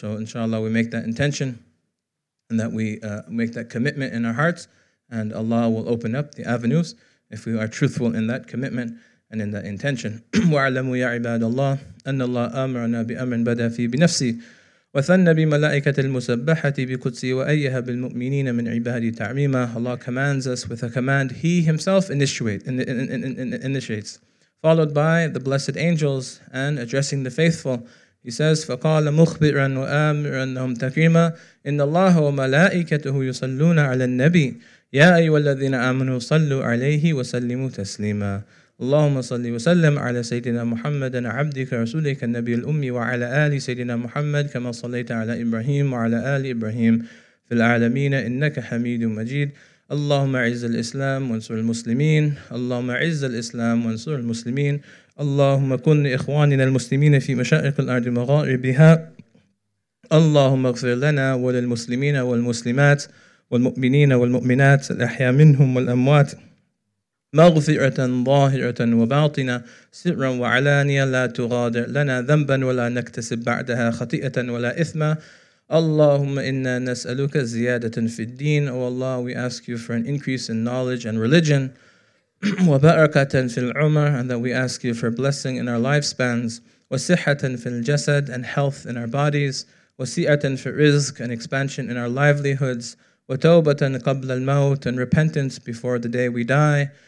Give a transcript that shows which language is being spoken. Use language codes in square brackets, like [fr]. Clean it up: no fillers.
[en] So inshallah, we make that intention and that we make that commitment in our hearts, and Allah will open up the avenues if we are truthful in that commitment and in that intention. [ar] وَعَلَمُوا يَا عِبَادَ اللَّهِ أَنَّ اللَّهَ أَمَرَنَا بِأَمْرٍ بَدَى فِي بِنَفْسِي وَثَنَّ بِمَلَائِكَةِ الْمُسَبَّحَةِ بِقُدْسِي وَأَيَّهَا بِالْمُؤْمِنِينَ مِنْ عِبَادِي تَعْمِيمًا. [en] Allah commands us with a command He Himself initiates. Followed by the blessed angels and addressing the faithful, he says, [ar] فَقَالَ مُخْبِرًا وَآمِرًاهُمْ تَكْرِيمًا إِنَّ اللَّهَ وَمَلَائِكَتُهُ يُصَلُّونَ عَلَى النَّبِيِّ يَا أَيُّهَا الَّذِينَ آمَنُوا صَلُّوا عَلَيْهِ وَسَلِّمُوا تَسْلِيمًا اللهم صل وسلم على سيدنا محمد عبدك رسولك النبي الأمي وعلى آل سيدنا محمد كما صليت على إبراهيم وعلى آل إبراهيم في العالمين إنك حميد مجيد. اللهم عز الإسلام وانصر المسلمين. اللهم عز الإسلام وانصر المسلمين. اللهم كن إخواننا المسلمين في مشارق الأرض ومغاربها. اللهم اغفر لنا وللمسلمين والمسلمات والمؤمنين والمؤمنات الأحياء منهم والأموات مغفرة ظاهرة وباطنة سرا وعلانية لا تغادر لنا ذنبا ولا نكتسب بعدها خطيئة ولا إثما. اللهم إنا نسألك زيادة في الدين. [en] Oh Allah, we ask you for an increase in knowledge and religion. [ar] وبركة في العمر, [en] and that we ask you for blessing in our lifespans. [ar] وصحة في الجسد, [en] and health in our bodies. [ar] وسعة في الرزق, [en] and expansion in our livelihoods. [ar] وتوبة قبل الموت, [en] and repentance before the day we die.